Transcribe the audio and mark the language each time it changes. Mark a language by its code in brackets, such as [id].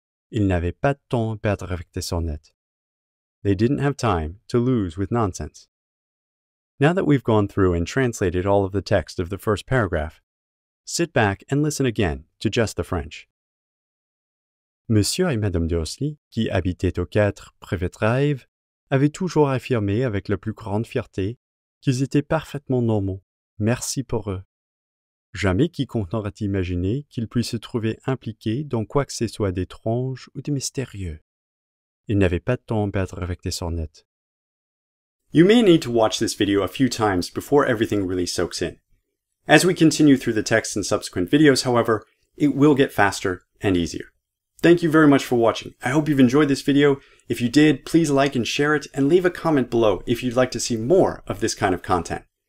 [fr] Ils n'avaient pas temps à perdre avec des sornettes. [en] They didn't have time to lose with nonsense. Now that we've gone through and translated all of the text of the first paragraph, sit back and listen again to just the French. [fr] Monsieur et Madame Dursley, qui habitaient au 4 Privet Drive, avaient toujours affirmé avec la plus grande fierté qu'ils étaient parfaitement normaux. Merci pour eux. Jamais quiconque n'aurait imaginé qu'il puisse se trouver impliqué dans quoi que ce soit d'étrange ou de mystérieux. Il n'avait pas de temps à perdre avec des sornettes. [en] You may need to watch this video a few times before everything really soaks in. As we continue through the text in subsequent videos, however, it will get faster and easier. Thank you very much for watching. I hope you've enjoyed this video. If you did, please like and share it, and leave a comment below if you'd like to see more of this kind of content.